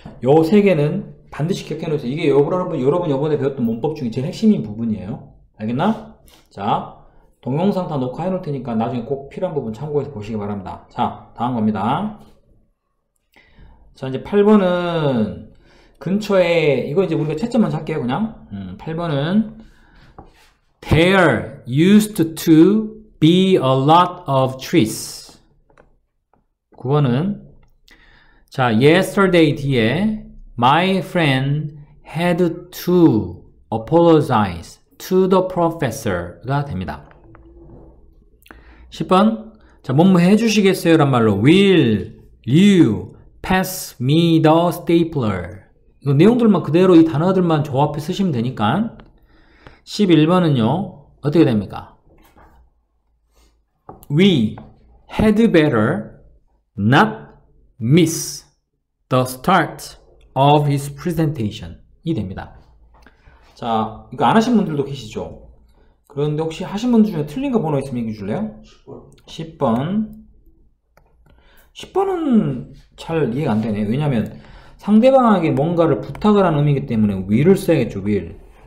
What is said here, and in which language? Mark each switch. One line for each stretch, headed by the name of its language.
Korean: 요세 개는 반드시 기억해 놓으세요. 이게 여러분 요번에 배웠던 문법 중에 제일 핵심인 부분이에요. 알겠나? 자, 동영상 다 녹화해 놓을 테니까 나중에 꼭 필요한 부분 참고해서 보시기 바랍니다. 자, 다음 겁니다. 자, 이제 8번은 근처에, 이거 이제 우리가 채점만 할게요, 그냥. 8번은
English: There used to be a lot of trees.
Korean: 9번은, 자, yesterday 뒤에
English: my friend had to apologize to the professor
Korean: 가 됩니다. 10번, 자, 뭐뭐 해주시겠어요? 란 말로
English: will you pass me the stapler?
Korean: 이거 내용들만 그대로 이 단어들만 조합해 쓰시면 되니까. 11번은요, 어떻게 됩니까?
English: We had better not miss the start of his presentation.
Korean: 이 됩니다. 자, 이거 안 하신 분들도 계시죠? 그런데 혹시 하신 분들 중에 틀린 거 번호 있으면 얘기해 줄래요? 10번. 10번은 잘 이해가 안 되네. 왜냐면 상대방에게 뭔가를 부탁을 하는 의미이기 때문에 will을 써야겠죠, will.